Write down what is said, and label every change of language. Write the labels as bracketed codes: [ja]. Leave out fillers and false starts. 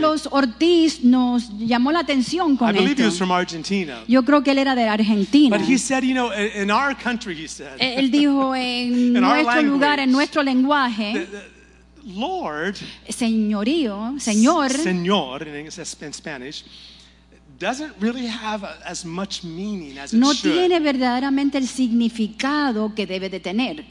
[es] Juan Carlos Ortiz nos llamó la atención con [en] I believe [es] esto. [en] He was from Argentina. [es] Yo creo que él era de Argentina. [en] But he said, you know, in our country, he said. [es] Él dijo en nuestro lugar, en nuestro lenguaje. [en] Lord. [es] Señorío, señor. [en] Señor, in Spanish. Doesn't really have as much meaning as it [es] no [en] should. [es] No tiene verdaderamente el significado que debe de tener.